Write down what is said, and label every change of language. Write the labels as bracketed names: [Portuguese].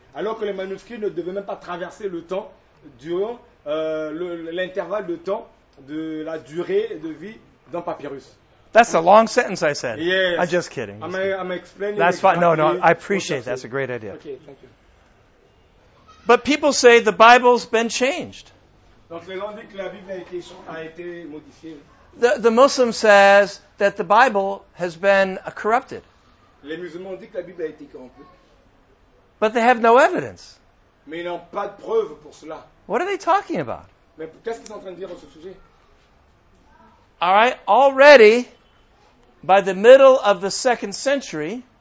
[French] Alors que les manuscrits ne devaient même pas traverser le temps durant l'intervalle de temps de la durée de vie d'un papyrus. [English] That's a long sentence I said. Yes. I'm just kidding. I'm explaining. That's fine. No, I appreciate that. That's a great idea. Okay, thank you. But people say the Bible's been changed. [French] Donc les gens disent que la Bible a été modifiée. [English] The Muslim says that the Bible has been corrupted. [French] Les musulmans disent que la Bible a été corrompue. [English] But they have no evidence. [French] Mais ils n'ont pas de preuve pour cela. [English] What are they talking about? [French] Mais qu'est-ce qu'ils sont en train de dire à ce sujet? [English] All right, already by the middle of the second century,